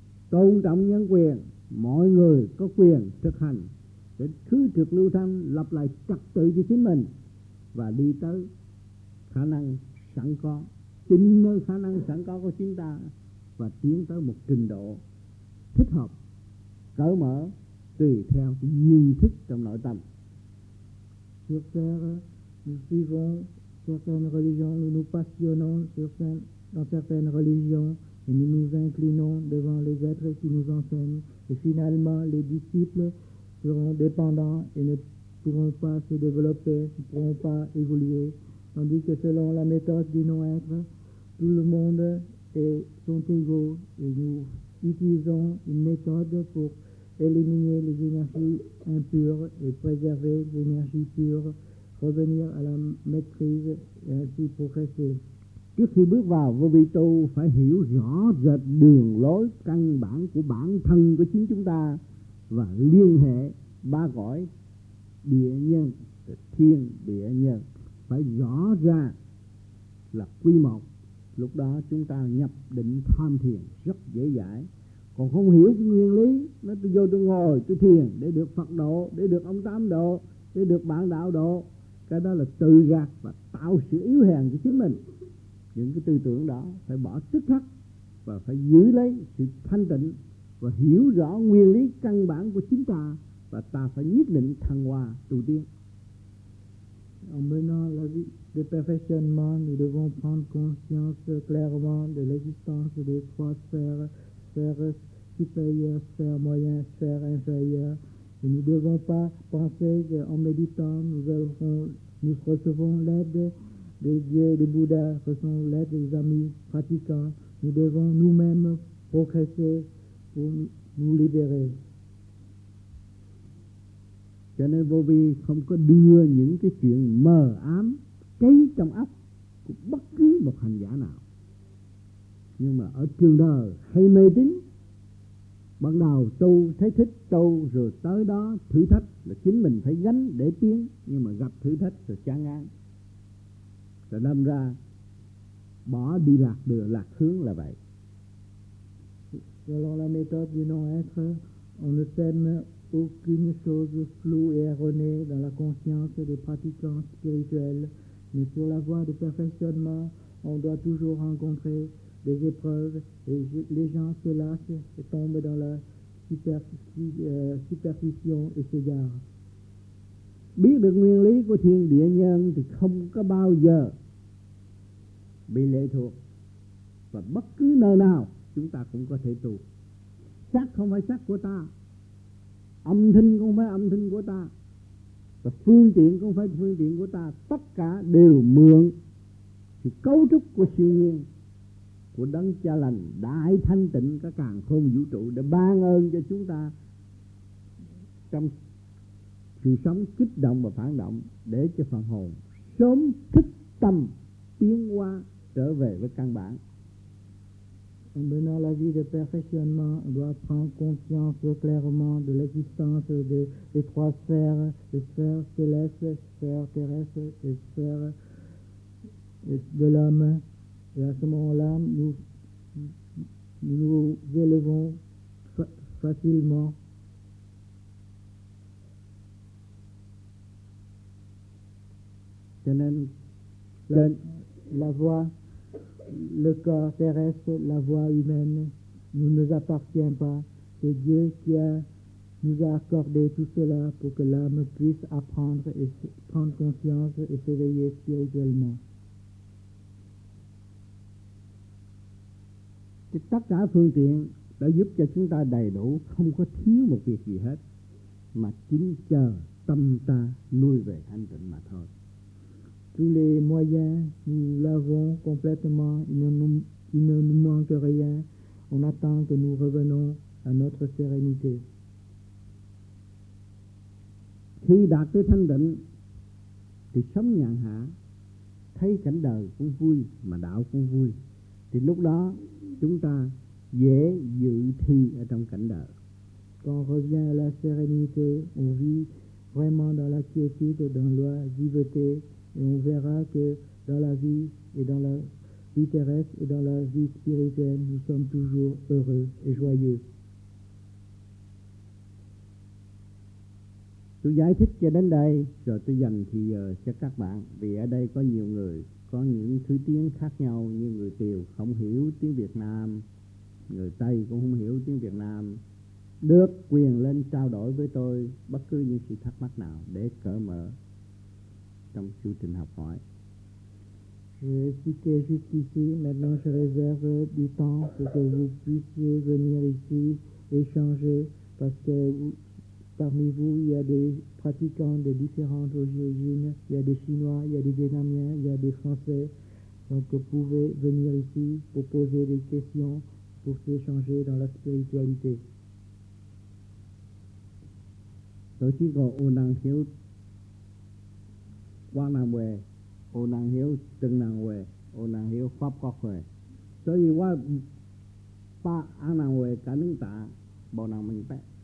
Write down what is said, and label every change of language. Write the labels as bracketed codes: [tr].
[vi] Tôn trọng nhân quyền, mọi người có quyền thực hành để cứ trực lưu thanh, lập lại trật tự cho chính mình và đi tới khả năng sẵn có, chính nơi khả năng sẵn có của chúng ta và tiến tới một trình độ thích hợp, cởi mở tùy theo cái duyên thức trong nội tâm. [fr] Sur terre, nous suivons certaines religions, nous nous passionnons dans certaines religions et nous nous inclinons devant les êtres qui nous enseignent. Et finalement, les disciples seront dépendants et ne pourront pas se développer, ne pourront pas évoluer. Tandis que selon la méthode du non-être, tout le monde est son ego et nous utilisons une méthode pour éliminer les énergies impures et préserver l'énergie pure, revenir à la maîtrise et ainsi progresser. [vi] Trước khi bước vào vô vi tu, phải hiểu rõ rệt đường lối căn bản của bản thân của chính chúng ta và liên hệ ba cõi địa nhân, thiên địa nhân, phải rõ ra là quy một. Lúc đó chúng ta nhập định tham thiền rất dễ dãi. Còn không hiểu cái nguyên lý, nó tôi vô tôi ngồi, tôi thiền để được Phật độ, để được ông Tám độ, để được bạn đạo độ, cái đó là tự gạt và tạo sự yếu hèn cho chính mình. Những cái tư tưởng đó phải bỏ tức khắc và phải giữ lấy sự thanh tịnh và hiểu rõ nguyên lý căn bản của chính ta, và ta phải nhất định thăng hoa tu tiên. [fr] En menant la vie de perfectionnement, nous devons prendre conscience clairement de l'existence des trois sphères, sphère supérieure, sphère moyenne, sphère inférieure. Et nous ne devons pas penser qu'en méditant, nous recevons l'aide des dieux, des bouddhas, recevons l'aide des amis pratiquants. Nous devons nous-mêmes progresser pour nous libérer. [vi] Cho nên vô vi không có đưa những cái chuyện mờ ám cấy trong óc của bất cứ một hành giả nào. Nhưng mà ở trường đời hay mê tín, ban đầu tu thấy thích tu, rồi tới đó thử thách là chính mình phải gánh để tiến, nhưng mà gặp thử thách rồi chán ngán, rồi đâm ra bỏ đi lạc đường, lạc hướng là vậy. [fr] Selon la méthode du non-être, on ne sème aucune chose floue et erronée dans la conscience des pratiquants spirituels, mais sur la voie de perfectionnement, on doit toujours rencontrer des épreuves et les gens se lâchent et tombent dans la superstition et s'égarent. [vi] Biết được nguyên lý của thiên địa nhân thì không có bao giờ bị lệ thuộc, và bất cứ nơi nào chúng ta cũng có thể tu. Xác không phải xác của ta, âm thanh không phải âm thanh của ta, và phương tiện không phải phương tiện của ta. Tất cả đều mượn sự cấu trúc của siêu nhiên, của đấng cha lành đại thanh tịnh các càn khôn vũ trụ để ban ơn cho chúng ta trong sự sống kích động và phản động, để cho phần hồn sớm thức tâm tiến hóa trở về với căn bản. [fr] En menant la vie de perfectionnement, on doit prendre conscience clairement de l'existence des trois sphères, les sphères célestes, sphères terrestres et sphères de l'âme. Et à ce moment-là, nous élevons facilement. [vi] Cho nên [fr] la voie, le corps terrestre, la voie humaine, ne nous appartient pas. C'est Dieu qui nous a accordé tout cela pour que l'âme puisse apprendre et prendre conscience et s'éveiller spirituellement. [vi] Tất cả phương tiện đã giúp cho chúng ta đầy đủ, không có thiếu một việc gì hết, mà chính chờ tâm ta nuôi về thanh tịnh mà thôi. [fr] Tous les moyens, nous l'avons complètement, il ne nous manque rien. On attend que nous revenions à notre sérénité. [vi] Khi đạt tới thanh định thì sống nhàn hạ, thấy cảnh đời cũng vui mà đạo cũng vui, thì lúc đó chúng ta dễ dự thi ở trong cảnh đời. [fr] Quand on revient à la sérénité, on vit vraiment dans la quiétude, dans l'oisiveté. Et on verra que dans la vie, et dans la vie terrestre, et dans la vie spirituelle, nous sommes toujours heureux et joyeux. [vi] Tôi giải thích cho đến đây, rồi tôi dành thì giờ cho các bạn. Vì ở đây có nhiều người, có những thứ tiếng khác nhau, như người Kiều không hiểu tiếng Việt Nam, người Tây cũng không hiểu tiếng Việt Nam, được quyền lên trao đổi với tôi bất cứ những sự thắc mắc nào để cởi mở trong chương trình học hỏi. [fr] J'ai expliqué jusqu'ici, maintenant je réserve du temps pour que vous puissiez venir ici échanger, parce que parmi vous, il y a des pratiquants de différentes origines, il y a des Chinois, il y a des Vietnamiens, il y a des Français, donc vous pouvez venir ici pour poser des questions, pour s'échanger dans la spiritualité. Tôi chỉ có ô năng hiếu qua nam về, ô năng hiếu từng năng về, ô năng hiếu pháp quốc về. Cho nên qua ba an năng về cả nước ta bảo năng mình bé.